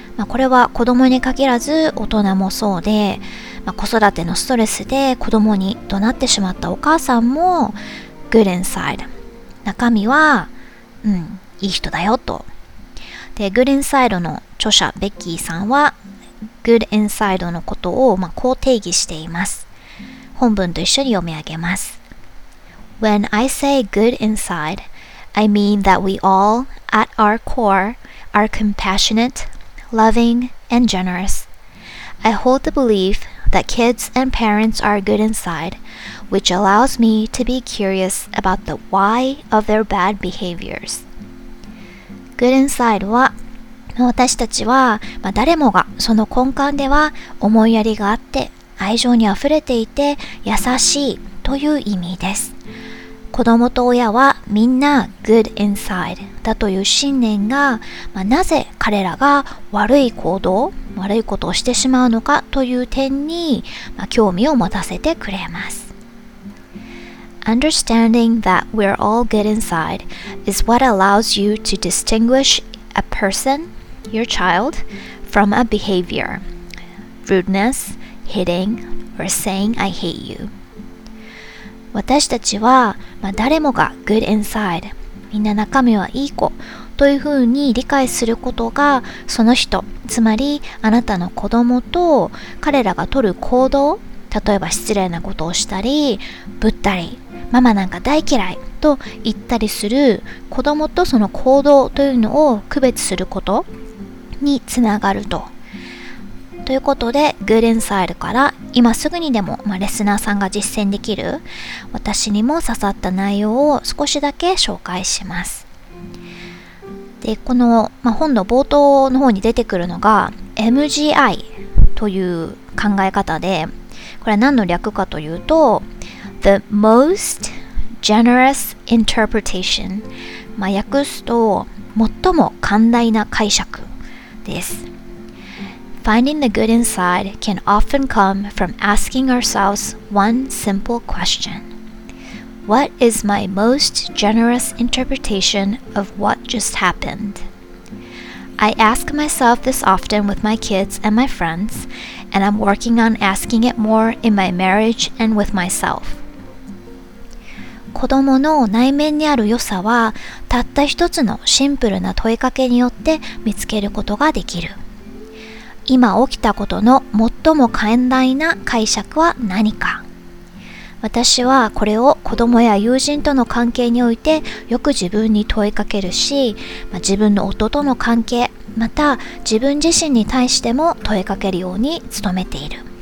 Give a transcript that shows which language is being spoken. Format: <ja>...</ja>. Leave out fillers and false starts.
<ja>これは子供に限らず大人もそうで、子育てのストレスで子供に怒鳴ってしまったお母さんも Good Inside、 中身はいい人だよと。で、 Good Inside の著者ベッキーさんは Good Inside のことをこう定義しています。本文と一緒に読み上げます。</ja> <en>When I say good inside, I mean that we all, at our core, are compassionate, loving, and generous. I hold the belief that kids and parents are good inside, which allows me to be curious about the why of their bad behaviors.</en> <ja>Good inside は、私たちは、誰もがその根幹では思いやりがあって、愛情にあふれていて優しいという意味です。子供と親はみんな good inside だという信念が、なぜ彼らが悪い行動、悪いことをしてしまうのかという点に、興味を持たせてくれます。</ja> <en>Understanding that we're all good inside is what allows you to distinguish a person, your child, from a behavior, rudeness, hitting, or saying I hate you.</en> <ja>私たちは、誰もが good inside、 みんな中身はいい子というふうに理解することが、その人、つまりあなたの子供と彼らが取る行動、例えば失礼なことをしたりぶったり、ママなんか大嫌いと言ったりする子供とその行動というのを区別することにつながると。ということで、Good Inside から今すぐにでも、レスナーさんが実践できる、私にも刺さった内容を少しだけ紹介します。で、この、本の冒頭の方に出てくるのが、 MGI という考え方で、これは何の略かというと、The Most Generous Interpretation、まあ、訳すと最も寛大な解釈です。</ja> <en>Finding the good inside can often come from asking ourselves one simple question. What is my most generous interpretation of what just happened? I ask myself this often with my kids and my friends, and I'm working on asking it more in my marriage and with myself.</en> <ja>子供の内面にある良さは、たった一つのシンプルな問いかけによって見つけることができる。今起きたことの最も寛大な解釈は何か。私はこれを子供や友人との関係においてよく自分に問いかけるし、自分の夫との関係、また自分自身に対しても問いかけるように努めている。</ja>